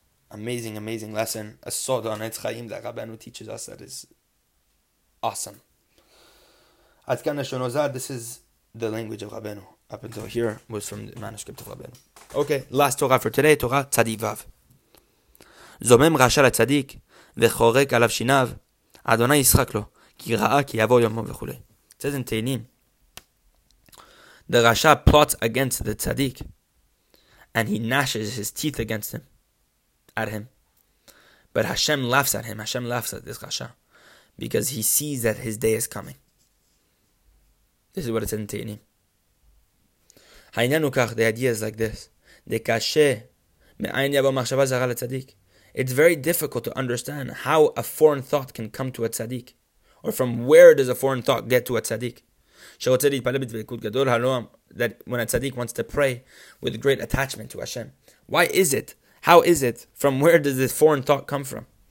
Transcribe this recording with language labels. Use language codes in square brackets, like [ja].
[en] Amazing, amazing lesson. A sod on Etz Chaim that Rabbeinu teaches us, that is awesome. This is the language of Rabbeinu. Up until here was from the manuscript of Rabbeinu. Okay, last Torah for today, Torah Tzadik Vav. [he] Zomem Rasha la Tzadik וחורק עליו שיניו, אדוני ישחק לו, כי ראה כי יבוא יומו וכו'. [en] It says in Tehillim, the Rasha plots against the Tzadik, and he gnashes his teeth against him, at him. But Hashem laughs at him, Hashem laughs at this Rasha, because he sees that his day is coming. This is what it says in Tehillim. [he] העניין הוא כך, [en] the idea is like this, [he] דקשה, מאין יבוא מחשבה זרה לצדיק. [en] It's very difficult to understand how a foreign thought can come to a tzaddik, or from where does a foreign thought get to a tzaddik? That when a tzaddik wants to pray with great attachment to Hashem, why is it? How is it? From where does this foreign thought come from?